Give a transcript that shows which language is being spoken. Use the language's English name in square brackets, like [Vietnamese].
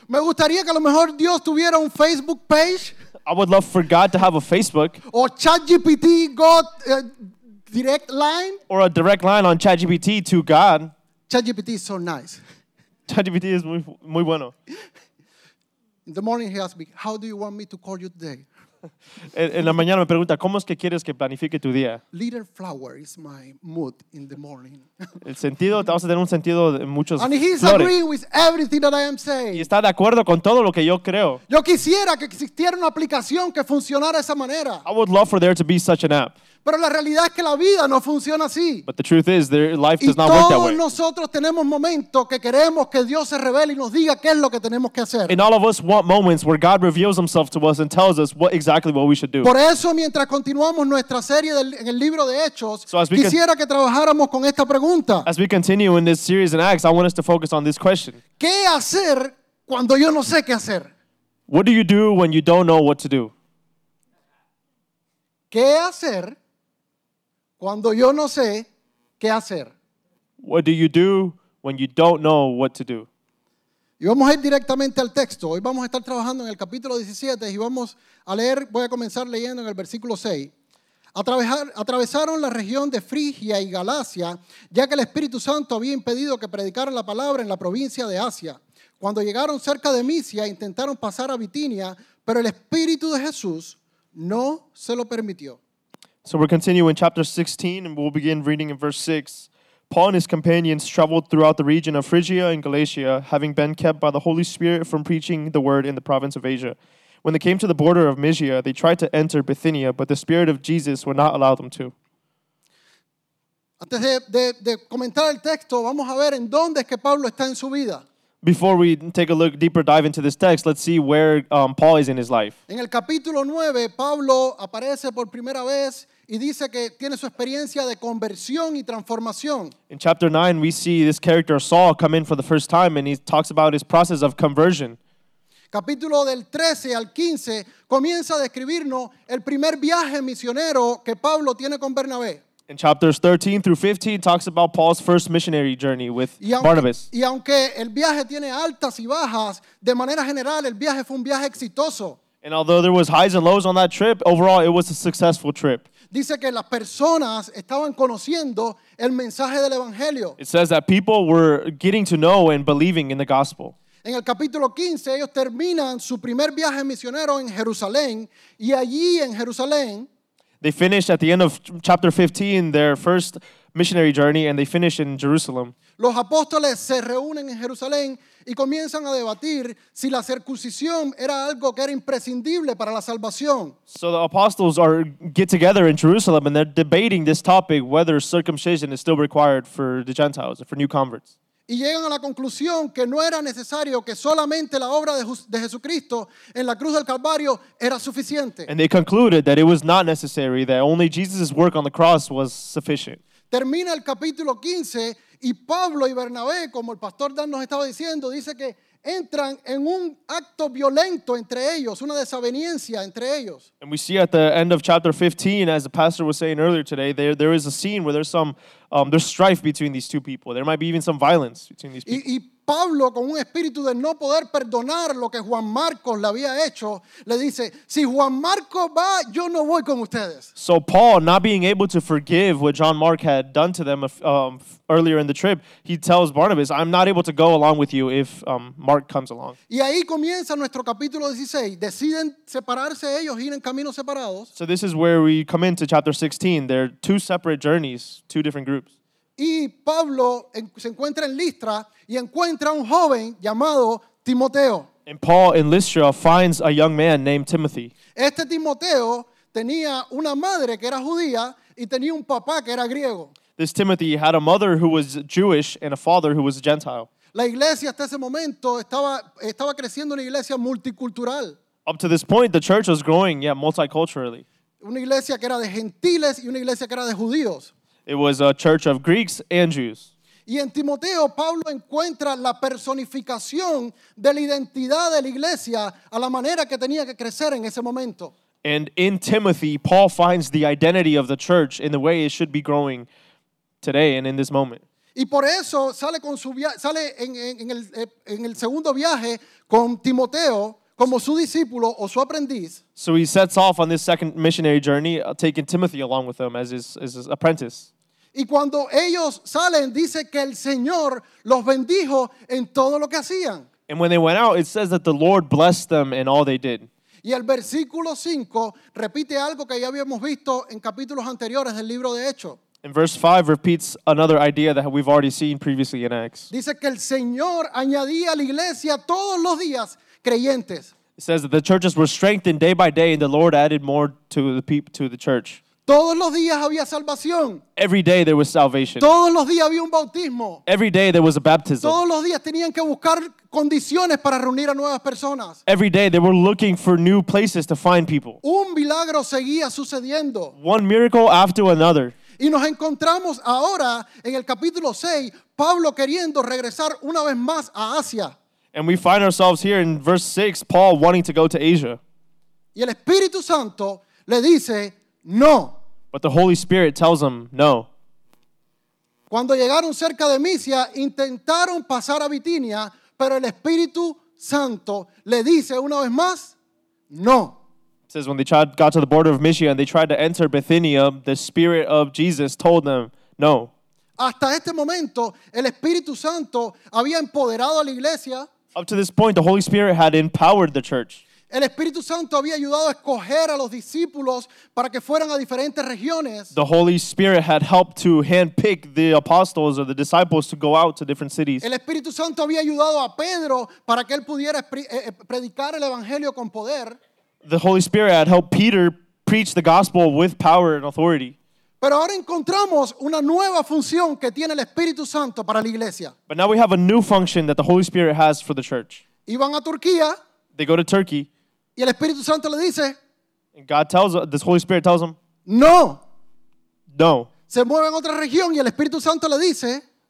[Spanish] Me gustaría que a lo mejor Dios tuviera un Facebook page. [English] I would love for God to have a Facebook. O ChatGPT, God, direct line. Or a direct line on ChatGPT to God. ChatGPT is so nice. [Spanish] ChatGPT is muy, muy bueno. [English] In the morning he asked me, how do you want me to call you today? [Spanish] En la mañana me pregunta, ¿cómo es que quieres que planifique tu día? [English] Little flower is my mood in the morning. [Spanish] El sentido, vamos a tener un sentido de muchos flores. [English] And he's agreeing with everything that I am saying. [Spanish] Y está de acuerdo con todo lo que yo creo. Yo quisiera que existiera una aplicación que funcionara de esa manera. [English] I would love for there to be such an app. [Spanish] Pero la realidad es que la vida no funciona así. [English] But the truth is, their life does [Spanish] y [English] not work that way. [Spanish] Y todos nosotros tenemos momentos que queremos que Dios se revele y nos diga qué es lo que tenemos que hacer. [English] And all of us want moments where God reveals himself to us and tells us what exactly what we should do. [Spanish] Por eso, mientras continuamos nuestra serie en el libro de Hechos, quisiera que trabajáramos con esta pregunta. [English] As we continue in this series in Acts, I want us to focus on this question. [Spanish] ¿Qué hacer cuando yo no sé qué hacer? [English] What do you do when you don't know what to do? [Spanish] ¿Qué hacer cuando yo no sé qué hacer? [English] What do you do when you don't know what to do? [Spanish] Y vamos a ir directamente al texto. Hoy vamos a estar trabajando en el capítulo 17 y vamos a leer, voy a comenzar leyendo en el versículo 6. Atravesaron la región de Frigia y Galacia, ya que el Espíritu Santo había impedido que predicaran la palabra en la provincia de Asia. Cuando llegaron cerca de Misia, intentaron pasar a Bitinia, pero el Espíritu de Jesús no se lo permitió. [English] So we'll continue in chapter 16 and we'll begin reading in verse 6. Paul and his companions traveled throughout the region of Phrygia and Galatia, having been kept by the Holy Spirit from preaching the word in the province of Asia. When they came to the border of Mysia, they tried to enter Bithynia, but the Spirit of Jesus would not allow them to. [Spanish] Antes de comentar el texto, vamos a ver en dónde es que Pablo está en su vida. [English] Before we take a look deeper dive into this text, let's see where Paul is in his life. [Spanish] En el capítulo 9, Pablo aparece por primera vez y dice que tiene su experiencia de conversión y transformación. [English] In chapter 9, we see this character Saul come in for the first time and he talks about his process of conversion. [Spanish] Capítulo del 13 al 15 comienza a describirnos el primer viaje misionero que Pablo tiene con Bernabé. [English] In chapters 13 through 15, talks about Paul's first missionary journey with Barnabas. [Spanish] Y aunque el viaje tiene altas y bajas, de manera general, el viaje fue un viaje exitoso. [English] And although there was highs and lows on that trip, overall, it was a successful trip. [Spanish] Dice que las personas estaban conociendo el mensaje del evangelio. [English] It says that people were getting to know and believing in the gospel. [Spanish] En el capítulo 15, ellos terminan su primer viaje misionero en Jerusalén, y allí en Jerusalén, [English] they finish at the end of chapter 15 their first missionary journey and they finish in Jerusalem. [Spanish] Los apóstoles se reúnen en Jerusalén y comienzan a debatir si la circuncisión era algo que era imprescindible para la salvación. [English] So the apostles get together in Jerusalem and they're debating this topic, whether circumcision is still required for the Gentiles, for new converts. [Spanish] Y llegan a la conclusión que no era necesario, que solamente la obra de Jesucristo en la cruz del Calvario era suficiente. [English] And they concluded that it was not necessary, that only Jesus' work on the cross was sufficient. [Spanish] Termina el capítulo 15 y Pablo y Bernabé, como el pastor Dan nos estaba diciendo, dice que entran en un acto violento entre ellos, una desavenencia entre ellos. [English] And we see at the end of chapter 15, as the pastor was saying earlier today, there is a scene where there's strife between these two people. There might be even some violence between these people. [Spanish] Y Pablo, con un espíritu de no poder perdonar lo que Juan Marcos le había hecho, le dice, si Juan Marcos va, yo no voy con ustedes. [English] So Paul, not being able to forgive what John Mark had done to them earlier in the trip, he tells Barnabas, I'm not able to go along with you if Mark comes along. [Spanish] Y ahí comienza nuestro capítulo 16. Deciden separarse ellos, ir en caminos separados. [English] So this is where we come into chapter 16. There are two separate journeys, two different groups. [Spanish] Y Pablo se encuentra en Listra y encuentra un joven llamado Timoteo. [English] And Paul in Lystra finds a young man named Timothy. [Spanish] Este Timoteo tenía una madre que era judía y tenía un papá que era griego. [English] This Timothy had a mother who was Jewish and a father who was a Gentile. [Spanish] La iglesia hasta ese momento estaba creciendo una iglesia multicultural. [English] Up to this point, the church was growing, yeah, multiculturally. [Spanish] Una iglesia que era de gentiles y una iglesia que era de judíos. [English] It was a church of Greeks and Jews. [Spanish] Y en Timoteo, Pablo encuentra la personificación de la identidad de la iglesia a la manera que tenía que crecer en ese momento. [English] And in Timothy, Paul finds the identity of the church in the way it should be growing today and in this moment. [Spanish] Y por eso sale con su sale en el segundo viaje con Timoteo como su discípulo o su aprendiz. [English] So he sets off on this second missionary journey, taking Timothy along with him as his apprentice. [Spanish] Y cuando ellos salen, dice que el Señor los bendijo en todo lo que hacían. [English] And when they went out, it says that the Lord blessed them in all they did. [Spanish] Y el versículo 5 repite algo que ya habíamos visto en capítulos anteriores del libro de Hechos. [English] And verse 5 repeats another idea that we've already seen previously in Acts. [Spanish] Dice que el Señor añadía a la iglesia todos los días creyentes. [English] It says that the churches were strengthened day by day, and the Lord added more to the church. [Spanish] Todos los días había salvación. [English] Every day there was salvation. [Spanish] Todos los días había un bautismo. [English] Every day there was a baptism. [Spanish] Todos los días tenían que buscar condiciones para reunir a nuevas personas. [English] Every day they were looking for new places to find people. [Spanish] Un milagro seguía sucediendo. [English] One miracle after another. [Spanish] Y nos encontramos ahora en el capítulo 6, Pablo queriendo regresar una vez más a Asia. [English] And we find ourselves here in verse 6, Paul wanting to go to Asia. [Spanish] Y el Espíritu Santo le dice, no. [English] But the Holy Spirit tells him, no. [Spanish] Cuando llegaron cerca de Misia, intentaron pasar a Bitinia, pero el Espíritu Santo le dice una vez más, no. [English] It says, when they tried, got to the border of Mysia and they tried to enter Bithynia, the Spirit of Jesus told them, no. [Spanish] Hasta este momento, el Espíritu Santo había empoderado a la iglesia. [English] Up to this point, the Holy Spirit had empowered the church. [Spanish] El Espíritu Santo había ayudado a escoger a los discípulos para que fueran a diferentes regiones. [English] The Holy Spirit had helped to handpick the apostles or the disciples to go out to different cities. [Spanish] El Espíritu Santo había ayudado a Pedro para que él pudiera predicar el evangelio con poder. [English] The Holy Spirit had helped Peter preach the gospel with power and authority. [Spanish] Pero ahora encontramos una nueva función que tiene el Espíritu Santo para la iglesia. [English] But now we have a new function that the Holy Spirit has for the church. [Spanish] Y van a Turquía. [English] They go to Turkey. [Spanish] Y el Espíritu Santo le dice. [English] And God tells them, this Holy Spirit tells them. [Spanish] No. [English] No. [Spanish] Se mueven a otra región y el Espíritu Santo le dice.